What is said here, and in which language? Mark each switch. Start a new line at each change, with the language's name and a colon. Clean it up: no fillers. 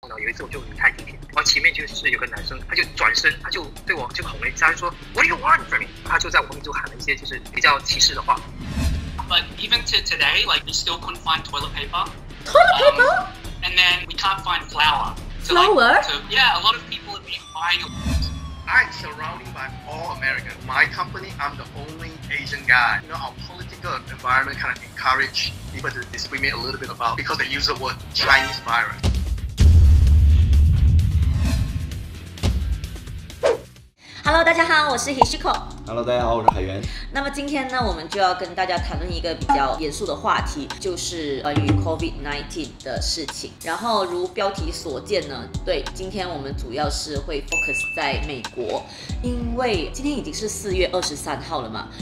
Chinese: 然后有一次我就离开地铁，然后前面就是有个男生，他就转身，他就对我就吼了一下，他就说
English: What do you want from me？
Chinese: 他就在我面前喊了一些就是比较歧视的话。
English: But even to today, like we still couldn't find toilet paper. Toilet paper? And then we can't find flour. Flour? So, yeah, a lot of people have been buying it. I'm surrounded by all Americans. My company, I'm the only Asian guy. You know, our political environment kind of encourage people to discriminate a little bit about because they use the word Chinese virus.
Chinese: Hello， 大家好，我是 Hishiko。 Hello， 大家好，我是海源。那么今天呢，我们就要跟大家谈论一个比较严肃的话题，就是关于 COVID-19 的事情。然后如标题所见呢，对，今天我们主要是会 focus 在美国，因为今天已经是4月23号了嘛。